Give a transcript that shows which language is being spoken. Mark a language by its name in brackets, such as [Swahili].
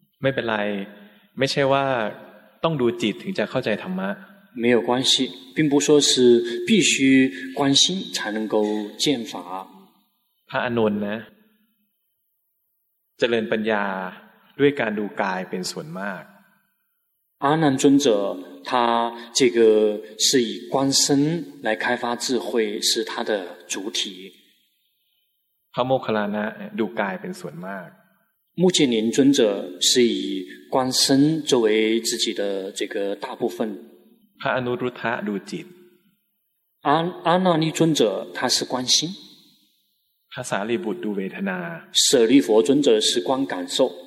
[Thai] ไม่เป็นไรไม่ใช่ว่าต้องดูจิตถึงจะเข้าใจธรรมะ [Chinese] 没有关系并不说是必须观心才能够见法 [Thai] พระอนุนนะเจริญปัญญาด้วยการดูกายเป็นส่วนมาก [Chinese] 阿难尊者他这个是以观身来开发智慧是他的主体 [Thai] พระโมคคัลลานะดูกายเป็นส่วนมาก [Chinese] 目犍连尊者是以观身作为自己的这个大部分 [Thai] พระอนุรุทธะดูจิต [Chinese] 阿难尊者他是观心 [Thai] พระสารีบุตรดูเวทนา [Chinese] 舍利佛尊者是观感受